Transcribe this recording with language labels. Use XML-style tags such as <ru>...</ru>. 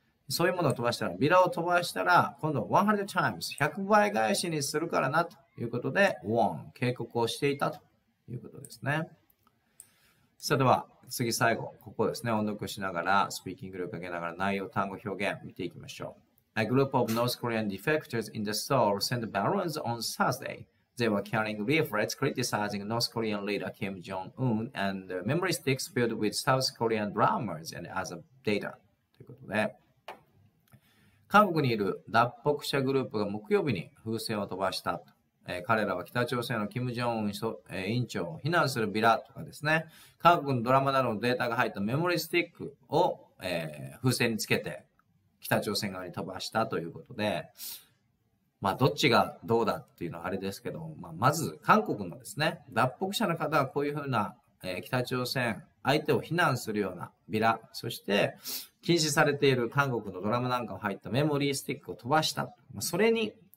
<ja>そういうものを飛ばしたら、ビラを飛ばしたら、今度は</ja> <en>100 times、</en> <ja>100倍返しにするからなとということで、warn、警告をしていたということですね。さあでは、次最後、ここですね、音読しながら、スピーキング力を上げながら、内容単語表現見ていきましょう。</ja> <en>A group of North Korean defectors in the Seoul sent balloons on Thursday. They were carrying leaflets criticizing North Korean leader Kim Jong-un and memory sticks filled with South Korean dramas and other data.</en> <ja>ということで、韓国にいる脱北者グループが木曜日に風船を飛ばした。彼らは北朝鮮のキム・ジョンウン委員長を非難するビラとかですね、韓国のドラマなどのデータが入ったメモリースティックを、風船につけて北朝鮮側に飛ばしたということで、まあどっちがどうだっていうのはあれですけど、まあ、まず韓国のですね、脱北者の方がこういうふうな、北朝鮮相手を非難するようなビラ、そして禁止されている韓国のドラマなんかを入ったメモリースティックを飛ばした、それに、</ja>